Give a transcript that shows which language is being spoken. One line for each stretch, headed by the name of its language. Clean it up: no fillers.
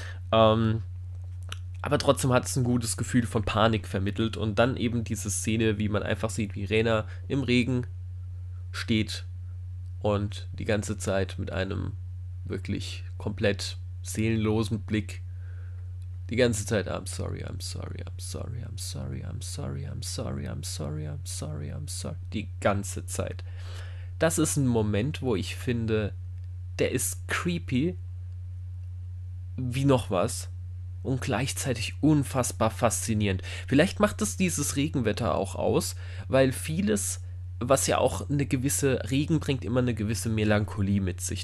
German: Aber trotzdem hat es ein gutes Gefühl von Panik vermittelt und dann eben diese Szene, wie man einfach sieht, wie Rena im Regen steht und die ganze Zeit mit einem wirklich komplett seelenlosen Blick. Die ganze Zeit,
English: I'm sorry, I'm sorry, I'm sorry, I'm sorry, I'm sorry, I'm sorry, I'm sorry, I'm sorry, I'm sorry.
German: Die ganze Zeit. Das ist ein Moment, wo ich finde, der ist creepy wie noch was und gleichzeitig unfassbar faszinierend. Vielleicht macht es dieses Regenwetter auch aus, weil vieles, was ja auch eine gewisse Regen bringt, immer eine gewisse Melancholie mit sich.